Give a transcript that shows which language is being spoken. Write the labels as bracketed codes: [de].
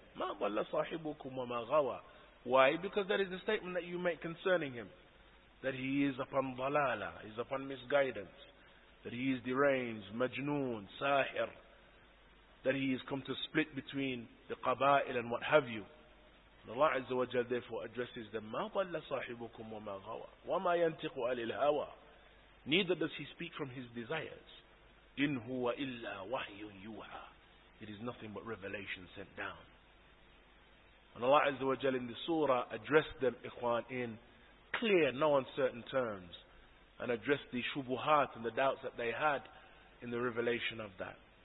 [ar] مَا ضَلَّ صَاحِبُكُمْ وَمَا غَوَى. [en] Why? Because that is the statement that you make concerning him. That he is upon dhalala, he is upon misguidance. That he is deranged, majnoon, sahir. That he has come to split between the qaba'il and what have you. And Allah Azza wa Jal therefore addresses them, [ar] مَا ضَلَّ صَاحِبُكُمْ وَمَا غَوَى وَمَا يَنْتِقُ عَلِ الْهَوَى. [en] Neither does he speak from his desires. [ar] إِنْ هُوَ إِلَّا وَحْيٌ يُوحَى. [en] It is nothing but revelation sent down. And Allah Azza wa Jal in the surah addressed them, ikhwan, in clear, no uncertain terms, and addressed the shubuhat and the doubts that they had in the revelation of that.